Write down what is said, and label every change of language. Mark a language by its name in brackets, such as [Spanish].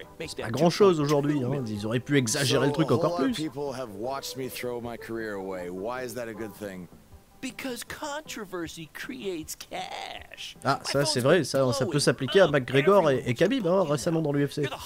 [French] C'est pas grand-chose aujourd'hui, hein. Ils auraient pu exagérer le truc encore plus. [English] People have watched me throw my career away. Why is that a good thing? Because controversy creates cash. [French] Ah, ça c'est vrai, ça peut s'appliquer à McGregor et Khabib, hein, récemment dans l'UFC.